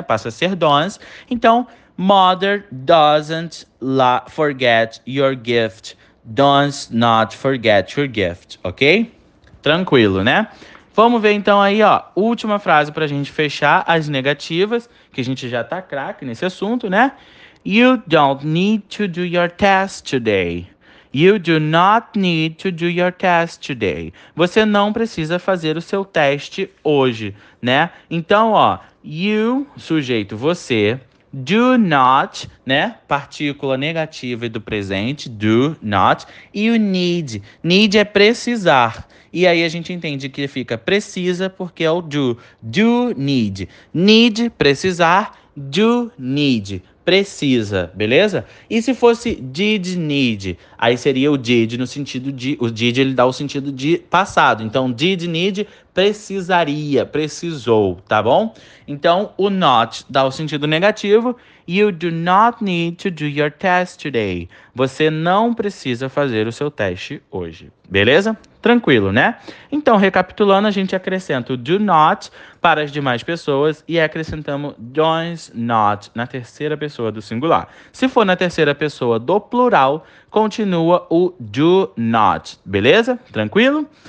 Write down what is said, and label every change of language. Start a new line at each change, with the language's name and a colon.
Portuguese: Passa a ser does. Então,
English: mother doesn't forget your gift. Does not forget your gift, ok?
Portuguese: Tranquilo, né? Vamos ver então aí, ó, última frase para a gente fechar as negativas, que a gente já tá craque nesse assunto, né?
English: You don't need to do your test today. You do not need to do your test today.
Portuguese: Você não precisa fazer o seu teste hoje, né? Então, ó, you, sujeito, você, do not, né? Partícula negativa do presente, do not. E o need. Need é precisar. E aí a gente entende que fica precisa porque é o do. Do need. Need, precisar. Do need. Precisa, beleza? E se fosse did need? Aí seria o did no sentido de. O did ele dá o sentido de passado. Então, did need precisaria, precisou, tá bom? Então, o not dá o sentido negativo.
English: You do not need to do your test today.
Portuguese: Você não precisa fazer o seu teste hoje, beleza? Tranquilo, né? Então, recapitulando, a gente acrescenta o do not para as demais pessoas e acrescentamos does not na terceira pessoa do singular. Se for na terceira pessoa do plural, continua o do not, beleza? Tranquilo?